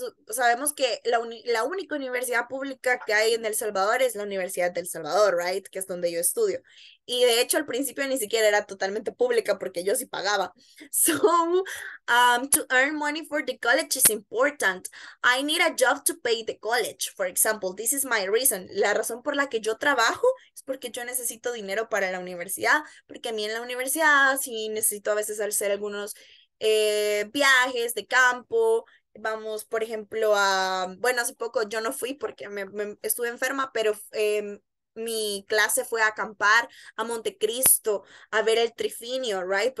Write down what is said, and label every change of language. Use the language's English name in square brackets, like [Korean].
[Spanish] Sabemos que la única universidad pública que hay en El Salvador es la Universidad del Salvador, right? Que es donde yo estudio. Y de hecho, al principio ni siquiera era totalmente pública porque yo sí pagaba. [English] So, to earn money for the college is important. I need a job to pay the college, for example. This is my reason. [Spanish] La razón por la que yo trabajo es porque yo necesito dinero para la universidad. Porque a mí en la universidad sí necesito a veces hacer algunos viajes de campo. Vamos, por ejemplo, hace poco yo no fui porque me estuve enferma, pero mi clase fue a acampar a Montecristo, a ver el trifinio, right?